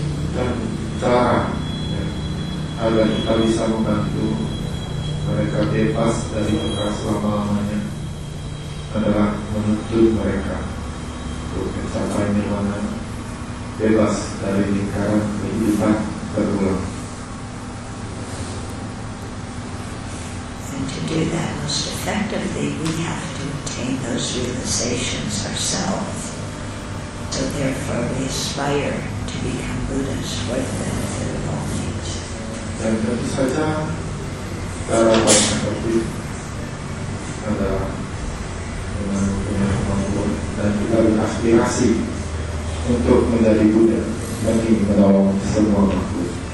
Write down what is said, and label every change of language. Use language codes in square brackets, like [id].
[id] Dan cara agar kita bisa membantu mereka bebas dari bekas selama-lamanya adalah menuntun mereka mencapai nirwana, bebas dari lingkaran kehidupan berulang. [en] And to do that most effectively, we have to attain those realizations ourselves. So therefore, we aspire to become Buddhas for the benefit of all beings. [id] Dan tentu saja, cara yang terbaik adalah dengan punya kemampuan dan kita beraspirasi untuk menjadi Buddha bagi menolong semua makhluk.